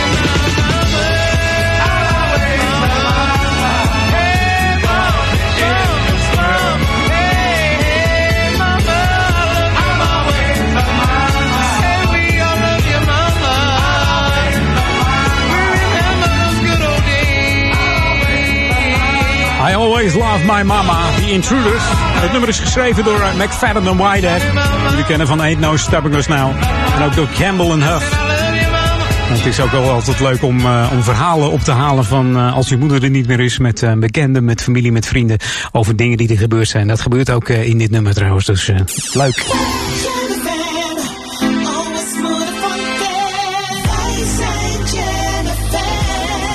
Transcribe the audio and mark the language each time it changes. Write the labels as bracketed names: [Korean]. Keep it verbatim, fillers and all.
[English] Hey, mama, in this world. Hey, mama. I'll always love my mama. Hey, we all love your mama. We remember those good old days. I Always Love My Mama, The Intruders. [Dutch] Het nummer is geschreven door eh, McFadden en Whitehead. Jullie kennen van Ain't No Stopping Us Now. En ook door Campbell en Huff. [English] I love your mama. [Dutch] En het is ook wel altijd leuk om, eh, om verhalen op te halen van eh, als je moeder er niet meer is. Met eh, bekenden, met familie, met vrienden. Over dingen die er gebeurd zijn. Dat gebeurt ook eh, in dit nummer trouwens. Dus eh, leuk. [English] Jennifer, always full of fun. I say Jennifer.